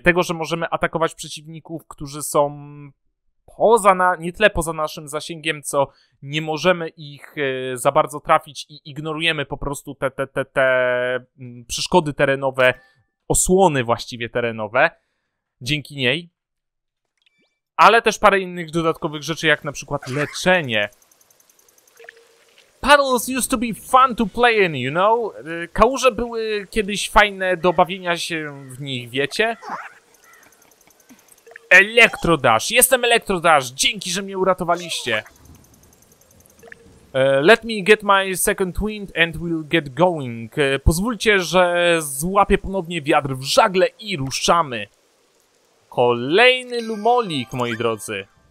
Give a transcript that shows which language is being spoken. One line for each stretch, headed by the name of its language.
Polish: Tego, że możemy atakować przeciwników, którzy są poza nie tyle poza naszym zasięgiem, co nie możemy ich za bardzo trafić i ignorujemy po prostu te przeszkody terenowe, osłony właściwie terenowe dzięki niej. Ale też parę innych dodatkowych rzeczy, jak na przykład leczenie.
English: Puddles used to be fun to play in, you know?
Polish: Kałuże były kiedyś fajne do bawienia się w nich, wiecie? Elektrodash! Jestem Elektrodash! Dzięki, że mnie uratowaliście!
English: Let me get my second wind and we'll get going.
Polish: Pozwólcie, że złapię ponownie wiatr w żagle i ruszamy! Kolejny Lumolik, moi drodzy.